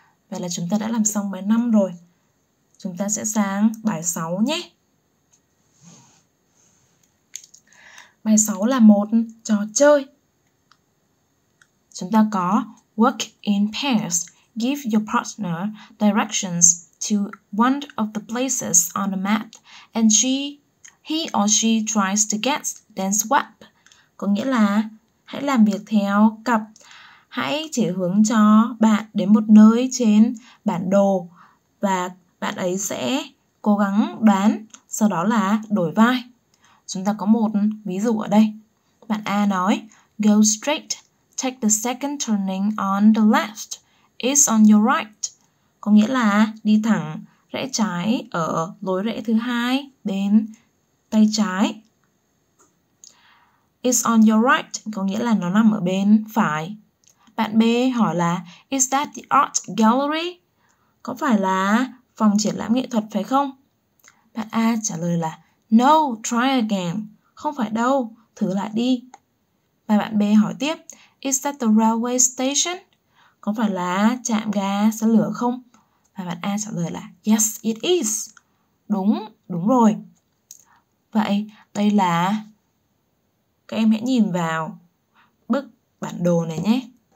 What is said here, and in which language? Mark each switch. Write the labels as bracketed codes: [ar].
[vi] Vậy là chúng ta đã làm xong bài 5 rồi. Chúng ta sẽ sang bài 6 nhé. Bài 6 là một trò chơi. Chúng ta có [en] work in pairs. Give your partner directions to one of the places on the map and he or she tries to guess then swap. [vi] Có nghĩa là hãy làm việc theo cặp. Hãy chỉ hướng cho bạn đến một nơi trên bản đồ và bạn ấy sẽ cố gắng đoán, sau đó là đổi vai. Chúng ta có một ví dụ ở đây. Bạn A nói, [en] go straight, take the second turning on the left, it's on your right. [vi] Có nghĩa là đi thẳng, rẽ trái ở lối rẽ thứ hai bên tay trái. [en] It's on your right, [vi] có nghĩa là nó nằm ở bên phải. Bạn B hỏi là, [en] is that the art gallery? [vi] Có phải là phòng triển lãm nghệ thuật phải không? Bạn A trả lời là, [en] no, try again. [vi] Không phải đâu, thử lại đi. Và bạn B hỏi tiếp, [en] is that the railway station? [vi] Có phải là trạm ga xe lửa không? Và bạn A trả lời là, [en] yes, it is. [vi] Đúng, đúng rồi. Vậy, đây là, các em hãy nhìn vào bức bản đồ này nhé.